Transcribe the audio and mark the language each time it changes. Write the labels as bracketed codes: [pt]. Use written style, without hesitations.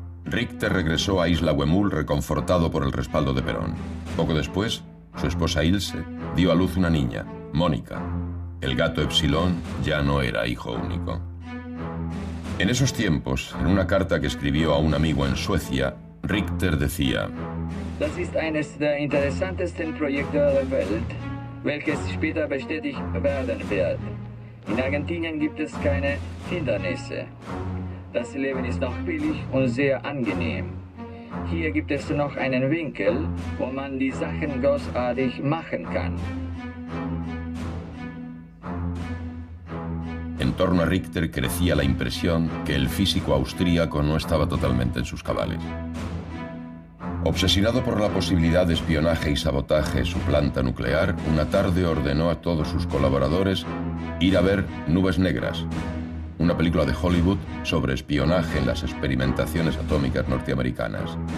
[es] Richter regresó a Isla Huemul reconfortado por el respaldo de Perón. Poco después, su esposa Ilse dio a luz una niña, Mónica. El gato Epsilon ya no era hijo único. En esos tiempos, en una carta que escribió a un amigo en Suecia, Richter decía: [de] Das ist eines der interessantesten Projekte der Welt, welches später bestätigt werden wird. In Argentinien gibt es keine Hindernisse. Das Leben ist noch billig und sehr angenehm. Hier gibt es noch einen Winkel, wo man die Sachen großartig machen kann. [es] En torno a Richter crecía la impresión que el físico austríaco no estaba totalmente en sus cabales. Obsesionado por la posibilidad de espionaje y sabotaje de su planta nuclear, una tarde ordenó a todos sus colaboradores ir a ver Nubes Negras, una película de Hollywood sobre espionaje en las experimentaciones atómicas norteamericanas.